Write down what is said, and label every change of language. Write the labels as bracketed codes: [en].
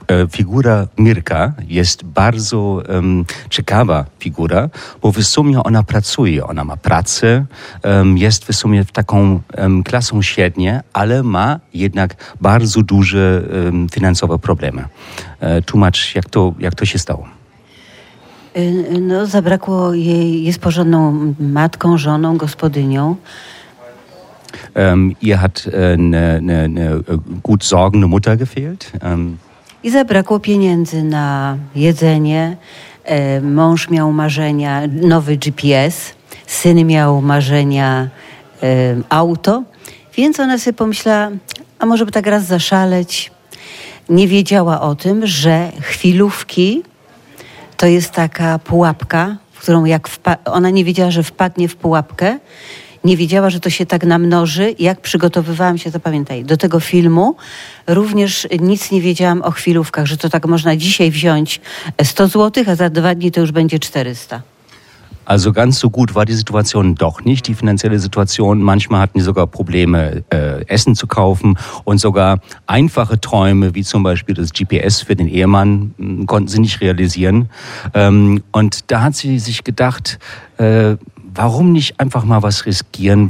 [pl] Figura Mirka jest bardzo ciekawa figura, bo w sumie ona pracuje, ona ma pracę, jest w sumie w taką klasą średnią, ale ma jednak bardzo duże finansowe problemy. Tłumacz, jak to się stało? No, zabrakło jej, jest porządną matką, żoną, gospodynią. [de] Ihr hat eine gut sorgende Mutter gefehlt. [pl] I zabrakło pieniędzy na jedzenie, mąż miał marzenia, nowy GPS, syn miał marzenia, auto, więc ona sobie pomyślała, a może by tak raz zaszaleć. Nie wiedziała o tym, że chwilówki to jest taka pułapka, w którą ona nie wiedziała, że wpadnie w pułapkę, nie wiedziała, że to się tak namnoży. Jak przygotowywałam się, to pamiętaj, do tego filmu, również nic nie wiedziałam o chwilówkach, że to tak można dzisiaj wziąć 100 zł, a za 2 dni to już będzie 400. [de] Also ganz so gut war die Situation doch nicht, die finanzielle Situation. Manchmal hatten sie sogar Probleme, Essen zu kaufen und sogar einfache Träume, wie zum Beispiel das GPS für den Ehemann, konnten sie nicht realisieren. Und da hat sie sich gedacht, warum nicht einfach mal was riskieren?